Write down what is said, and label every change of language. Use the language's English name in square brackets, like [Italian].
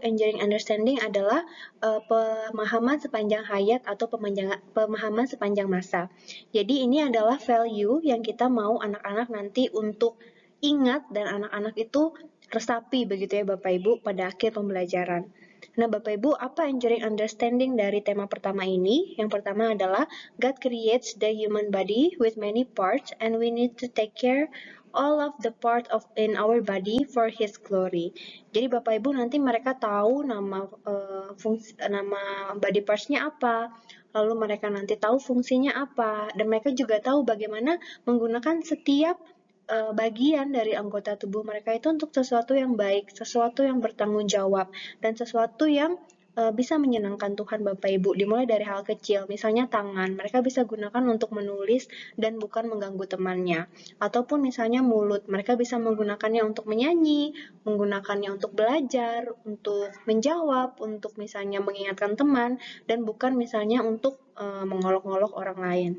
[Indonesian] Enduring understanding adalah pemahaman sepanjang hayat atau pemahaman sepanjang masa. Jadi, ini adalah value yang kita mau anak-anak nanti untuk ingat dan anak-anak itu resapi, begitu ya, Bapak Ibu, pada akhir pembelajaran. Nah, Bapak Ibu, apa enduring understanding dari tema pertama ini? Yang pertama adalah [English] God creates the human body with many parts and we need to take care all of the part of in our body for his glory. [Indonesian] Jadi Bapak Ibu nanti mereka tahu nama fungsi nama body parts-nya apa, lalu mereka nanti tahu fungsinya apa dan mereka juga tahu bagaimana menggunakan setiap bagian dari anggota tubuh mereka itu untuk sesuatu yang baik, sesuatu yang bertanggung jawab, dan sesuatu yang bisa menyenangkan Tuhan Bapak Ibu, dimulai dari hal kecil, misalnya tangan, mereka bisa gunakan untuk menulis dan bukan mengganggu temannya, ataupun misalnya mulut, mereka bisa menggunakannya untuk menyanyi, menggunakannya untuk belajar, untuk menjawab, untuk misalnya mengingatkan teman, dan bukan misalnya untuk mengolok-olok orang lain.